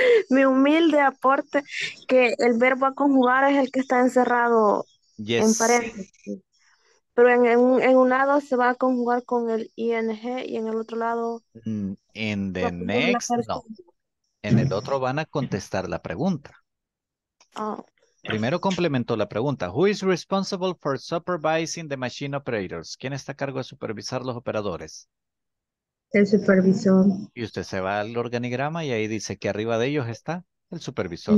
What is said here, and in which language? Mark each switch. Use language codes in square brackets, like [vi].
[es] Mi humilde aporte que el verbo a conjugar es el que está encerrado [en] yes. [es] en paréntesis. Pero en un lado se va a conjugar con el ing y en el otro lado. En the next, no. En el otro van a contestar la pregunta. Ah. Oh. Primero complementó la pregunta. [en] Who is responsible for supervising the machine operators? [es] ¿Quién está a cargo de supervisar los operadores? El supervisor. Y usted se va al organigrama y ahí dice que arriba de ellos está el supervisor.